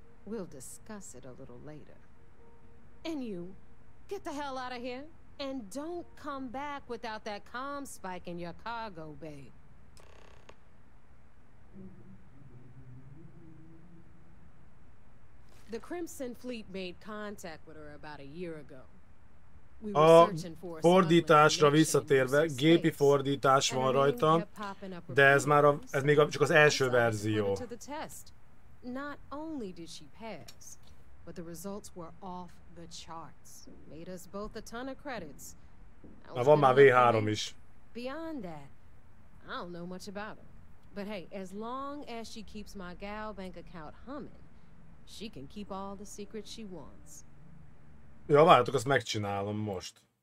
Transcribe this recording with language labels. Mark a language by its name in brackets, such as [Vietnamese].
[English] We'll discuss it a little later. And you, get the hell out of here and don't come back without that comm spike in your cargo bay. The Crimson Fleet made contact with her about a year ago. [Hungarian] A fordításra visszatérve, gépi fordítás van rajta, de ez még csak az első verzió. [English] Not only did she pass, but the results were off the charts. Made us both a ton of credits. [Hungarian] Na, van már V3 is. [English] Beyond that, I don't know much about her. But hey, as long as she keeps my gal bank account humming, she can keep all the secrets she wants. [Hungarian] Ja, várjátok, azt megcsinálom most.